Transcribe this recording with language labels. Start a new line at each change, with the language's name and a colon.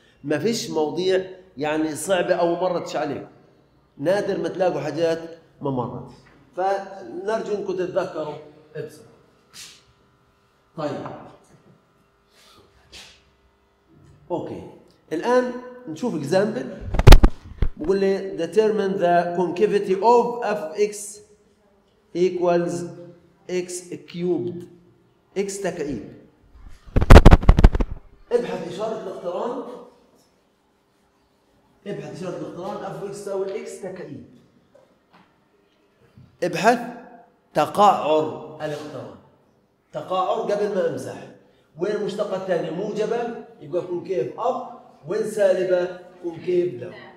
Arabic: ما فيش موضوع يعني صعبة أو مرتش عليه، نادر ما تلاقوا حاجات ما مرت. فنرجو أنكم تتذكروا ابصر. طيب أوكي، الآن نشوف إكزامبل. بقول لي
English: determine the concavity of fx equals x cubed.
Arabic: x تكعيب. ابحث إشارة الاقتران، ابحث إشارة الاقتران fx تساوي x تكعيب. ابحث تقاعر الاقتران، تقاعر قبل ما أمزح. وين المشتقة الثانية موجبة يبقى كونكيف أب، وين سالبة كونكيف داون.